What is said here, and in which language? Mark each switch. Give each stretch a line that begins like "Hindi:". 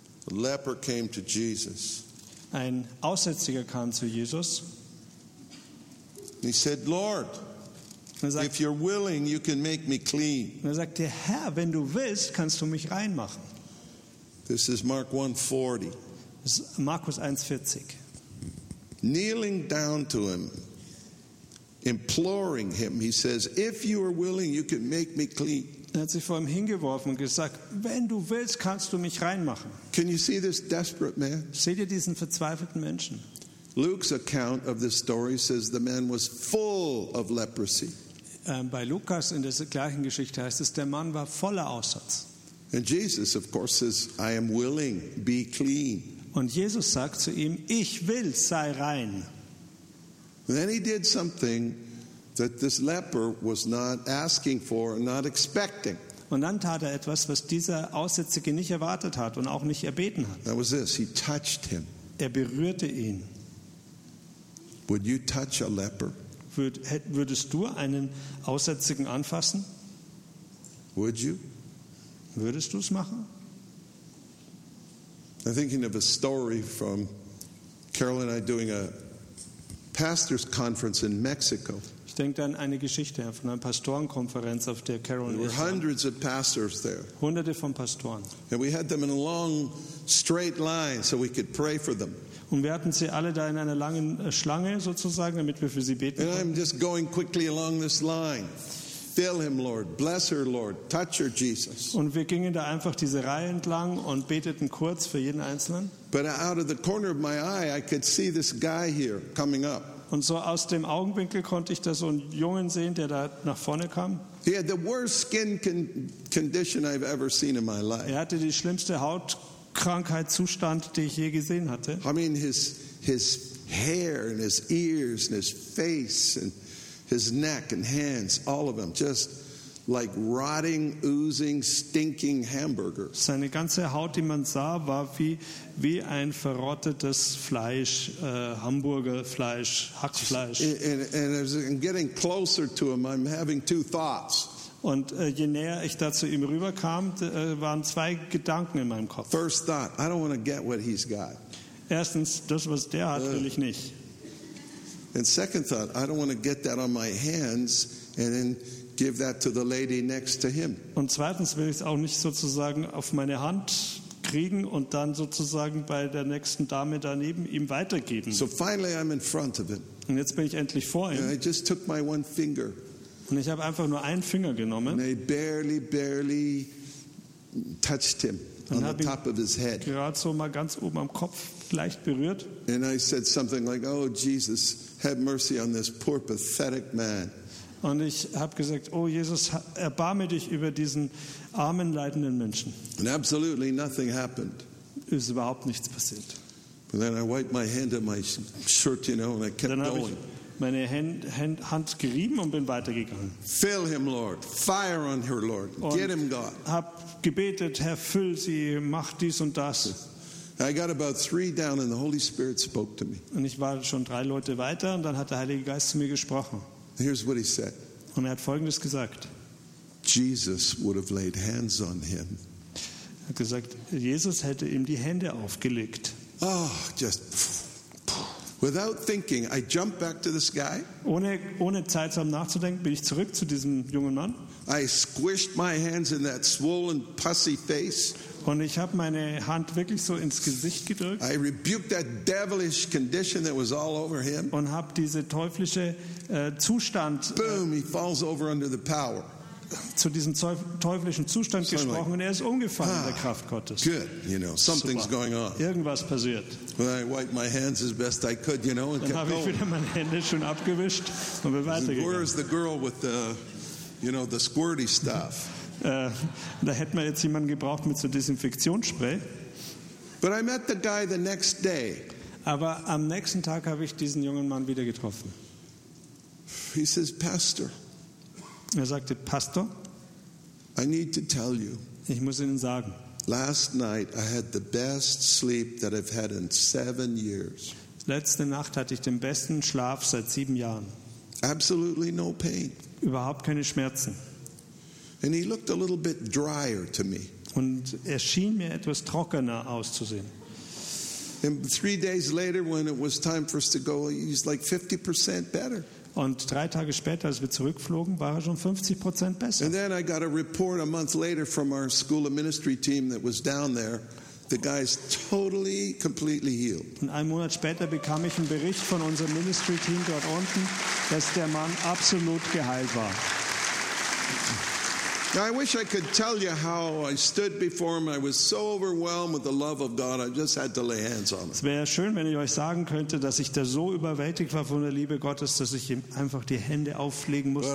English: A leper came to Jesus.
German: Ein Aussätziger kam zu Jesus.
English: He said, Lord, if you're willing, you can make me clean.
German: Er sagte, Herr, wenn du willst, kannst du mich reinmachen.
English: This is Mark 1:40.
German: Markus 1:40.
English: Kneeling down to him, imploring him, he says, if you are willing, you can make me clean.
German: Er hat sich vor ihm hingeworfen und gesagt, wenn du willst, kannst du mich reinmachen.
English: Can you see this desperate man?
German: Seht ihr diesen verzweifelten Menschen?
English: Luke's account of this story says the man was full of leprosy.
German: Bei Lukas in der gleichen Geschichte heißt es, der Mann war voller Aussatz.
English: And Jesus, of course, says, I am willing, be clean.
German: Und Jesus sagt zu ihm, ich will, sei rein.
English: Then he did something that this leper was not asking for and not expecting.
German: Und dann tat er etwas, was dieser Aussätzige nicht erwartet hat und auch nicht erbeten hat.
English: That was this. He touched him.
German: Er berührte ihn.
English: Would you touch a leper?
German: Würdest du einen Aussätzigen anfassen?
English: Would you?
German: Würdest du es machen?
English: I'm thinking of a story from Carol and I doing a pastor's conference in Mexico.
German: Ich denke an eine Geschichte von einer Pastorenkonferenz, auf der Carol und ich waren.
English: There were hundreds of pastors there.
German: Hunderte von Pastoren.
English: And we had them in a long straight line so we could pray for them.
German: Und wir hatten sie alle da in einer langen Schlange sozusagen, damit wir für sie beten konnten.
English: And I'm just going quickly along this line. Fill him, Lord. Bless her, Lord. Touch her, Jesus.
German: Und wir gingen da einfach diese Reihe entlang und beteten kurz für jeden Einzelnen.
English: But out of the corner of my eye, I could see this guy here coming up.
German: Und so aus dem Augenwinkel konnte ich da so einen Jungen sehen, der da nach vorne kam.
English: He had the worst skin condition I've ever seen in my life.
German: Er hatte die schlimmste Hautkrankheitszustand, den ich je gesehen hatte.
English: I mean, his hair and his ears and his face and his neck and hands, all of them, just like rotting, oozing, stinking hamburger.
German: Seine ganze Haut, die man sah, war wie ein verrottetes Fleisch, Hamburgerfleisch, Hackfleisch.
English: And as I'm getting closer to him, I'm having two thoughts.
German: Und je näher ich da zu ihm rüberkam, waren zwei Gedanken in meinem Kopf.
English: First thought, I don't want to get what he's got.
German: Erstens, das, was der hat, will ich nicht.
English: And second thought, I don't want to get that on my hands and then give that to the lady next to him.
German: Und zweitens will ich es auch nicht sozusagen auf meine Hand kriegen und dann sozusagen bei der nächsten Dame daneben ihm weitergeben.
English: So finally I'm in front of him.
German: Und jetzt bin ich endlich vor ihm.
English: And I just took my one finger.
German: Und ich habe einfach nur einen Finger genommen.
English: And I barely touched him on the top of his head.
German: Gerade so mal ganz oben am Kopf leicht berührt.
English: And I said something like, "Oh Jesus, have mercy on this poor pathetic man."
German: Und ich habe gesagt, oh Jesus, erbarme dich über diesen armen, leidenden Menschen.
English: And absolutely nothing happened.
German: Ist überhaupt nichts passiert.
English: And then I wiped my hand on my shirt, you know, and I kept
German: Dann
English: going.
German: Dann habe ich meine Hand gerieben und bin weitergegangen.
English: Fill him, Lord. Fire on her, Lord.
German: Und
English: get him, God.
German: Hab gebetet, Herr, füll sie, mach dies und das.
English: I got about three down and the Holy Spirit spoke to me.
German: Und ich war schon drei Leute weiter und dann hat der Heilige Geist zu mir gesprochen.
English: Here's what he said.
German: Und er hat Folgendes gesagt.
English: Jesus would have laid hands on him.
German: Er hat gesagt, Jesus hätte ihm die Hände aufgelegt.
English: Oh, just without thinking, I jumped back to this guy.
German: Ohne Zeit zu haben nachzudenken, bin ich zurück zu diesem jungen Mann.
English: I squished my hands in that swollen, pussy face.
German: Und ich habe meine Hand wirklich so ins Gesicht gedrückt.
English: I rebuked that devilish condition that was all over him.
German: Und habe diese teuflische Zustand.
English: Boom! He falls over under the power.
German: Zu diesem teuflischen Zustand so gesprochen, like, und er ist umgefallen in der Kraft Gottes.
English: Good, you know, something's
German: Super.
English: Going on.
German: Irgendwas passiert.
English: Well, I wiped my hands as best I could, you know, and
German: Dann habe ich wieder meine Hände schon abgewischt und bin weitergegangen.
English: Where is the girl with the, you know, the squirty stuff?
German: Da hätten wir jetzt jemanden gebraucht mit so Desinfektionsspray.
English: But I met the guy the next day.
German: Aber am nächsten Tag habe ich diesen jungen Mann wieder getroffen.
English: He says, Pastor.
German: Er sagte, Pastor,
English: I need to tell you.
German: Ich muss Ihnen sagen.
English: Last night I had the best sleep that I've had in 7 years.
German: Letzte Nacht hatte ich den besten Schlaf seit 7 Jahren.
English: Absolutely no pain.
German: Überhaupt keine Schmerzen.
English: And he looked a little bit drier to me.
German: Und er schien mir etwas trockener auszusehen.
English: And 3 days later, when it was time for us to go, he's like 50% better.
German: Und 3 Tage später, als wir zurückflogen, war er schon 50% besser.
English: And then I got a report a month later from our school of ministry team that was down there. The guy's totally, completely healed.
German: Und einen Monat später bekam ich einen Bericht von unserem
English: ministry team
German: dort unten, dass der Mann absolut geheilt war.
English: I wish I could tell you how I stood before him. I was so overwhelmed with the love of God. I just had to lay hands on him.
German: Es wäre schön, wenn ich euch sagen könnte, dass ich da so überwältigt war von der Liebe Gottes, dass ich ihm einfach die Hände auflegen musste.